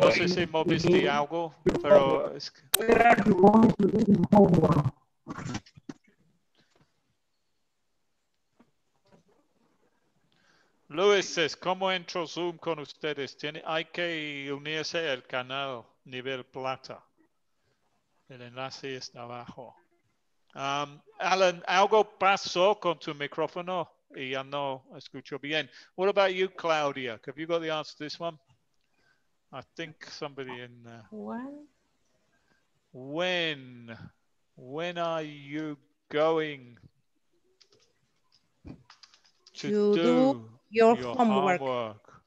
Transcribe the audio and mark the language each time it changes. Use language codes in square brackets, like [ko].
[es] No sé si moviste algo, pero es que... [en] Where are you going to do the homework? Luis says, [es] ¿cómo entro Zoom con ustedes? ¿Tiene, hay que unirse al canal nivel plata. El enlace está abajo. Alan, algo pasó con tu micrófono y ya no escucho bien. [en] What about you, Claudia? Have you got the answer to this one? I think somebody in When are you going to do your homework?